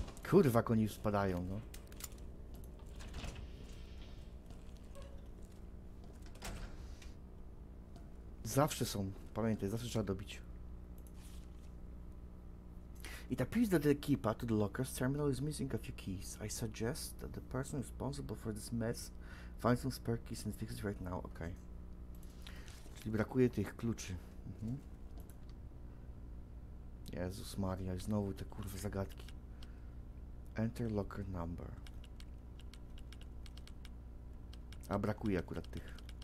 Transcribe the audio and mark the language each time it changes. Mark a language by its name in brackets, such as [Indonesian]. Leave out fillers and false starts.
[Polish] Kurwa, koni spadają, no. Zawsze są, pamiętaj, zawsze trzeba dobić. [English] It appears that the keypad to the locker's terminal is missing a few keys. I suggest that the person responsible for this mess find some spare keys and fix it right now. Okay. [Polish] Czyli brakuje tych kluczy. Mhm. Jezus Maria, znowu te kurwa zagadki. [English] Enter locker number. [Polish] A brakuje akurat tych.